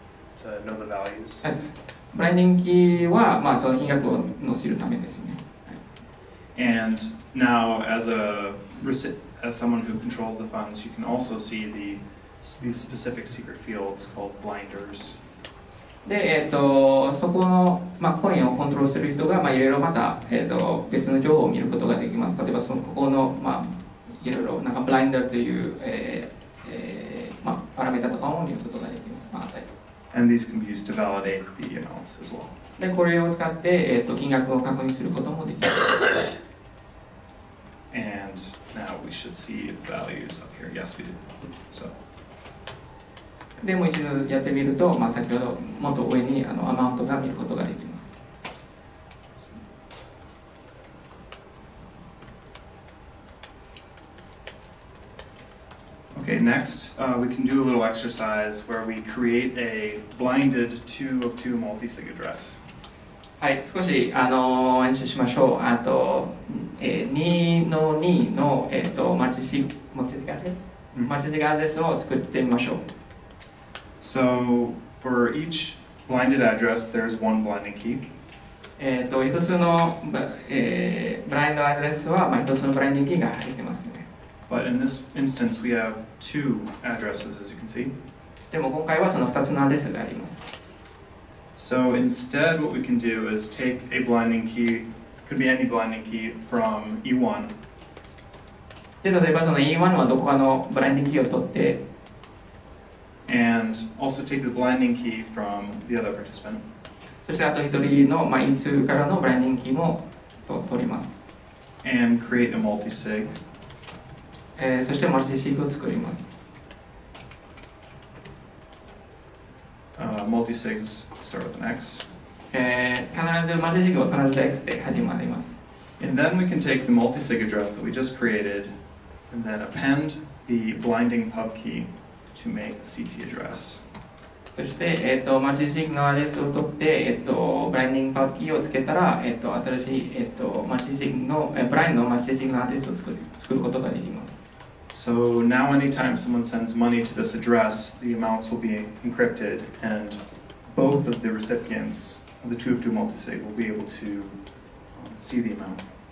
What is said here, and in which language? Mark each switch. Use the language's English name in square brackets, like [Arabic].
[English] So know the values. Yes. Blinding key is [Japanese] まあその金額を載せるためですね。 [English] And now as someone who controls the funds, you can also see the specific secret fields called blinders. [Japanese] で、そこの、まあ、コインをコントロールする人が、まあ、いろいろまた、別の情報を見ることができます。例えば、そのここの、まあ、いろいろ、なんか、ブラインダーという、まあ、パラメータとかも見ることができます。まあ、はい。 [English] And these can be used to validate the amounts as well. [Japanese] で、これを使って、金額を確認することもできます。 [English] And now we should see the values up here. Yes, we did. So. [Japanese] でも一度やってみると、まあ、先ほどもっと上にアマウントが見ることができます。 [English] Okay, next,we can do a little exercise where we create a blinded 2 of 2 multisig address. [Japanese] はい、少し演習しましょう。あと、2の2の、マルチシグアドレスを作ってみましょう。 [English] So, for each blinded address, there's one blinding key. [Japanese] 一つの、ブラインドアドレスは、まあ、一つのブラインディングキーが入ってますね。 [English] But in this instance, we have two addresses, as you can see. [Japanese] でも今回はその二つのアドレスがあります。 [English] So, instead, what we can do is take a blinding key, could be any blinding key, from E1. [Japanese] で、例えばその E1 はどこかのブラインディングキーを取って [English] And also take the blinding key from the other participant. [Japanese] そしてあと一人の、まあ、E2 からのブラインディングキーも取ります [English] And create a multi-sig、 [Japanese] そしてマルチシグを作ります [English] Multi-sigs start with an X. [Japanese] 必ずマルチシグは必ず X で始まります。 [English] And then we can take the multi-sig address that we just created, and then append the blinding pub key to make the CT address. [Japanese] そしてマルチシグのアドレスを取ってブラインディングパブキーをつけたら新しいマルチシグのブラインのマルチシグのアドレスを作ることができます。 [English] So now anytime someone sends money to this address, the amounts will be encrypted and both of the recipients of the 2-of-2 multisig will be able to see the amount.